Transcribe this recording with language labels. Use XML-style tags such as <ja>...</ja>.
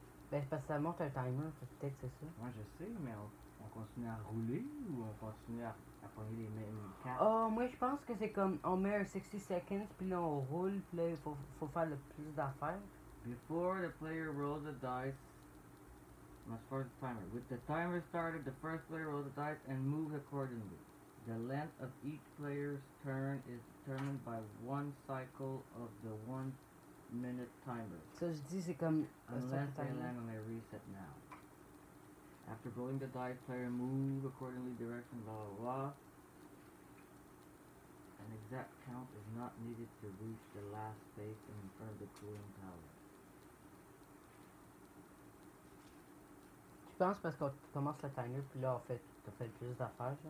<fr>Ben, c'est parce que ça monte un timer, peut-être que c'est ça. Moi, je sais, mais on continue à rouler ou on continue à prendre les mêmes cartes? Oh, moi, je pense que c'est comme on met un</fr> <en>60 seconds,</en> <fr>puis là, on roule, puis là, il faut faire le plus d'affaires.</fr> <en>Before the player rolls the dice, must force the timer. With the timer started, the first player rolls the dice and moves accordingly. The length of each player's turn is determined by one cycle of the one minute timer.</en> <fr>So je dis c'est comme</fr> <en>unless they land on a reset now. After rolling the dice, player move accordingly direction blah blah blah. An exact count is not needed to reach the last space in front of the cooling tower.</en> <fr>Tu penses parce qu'on commence le timer puis là en fait t'as fait plus d'affaires genre?</fr>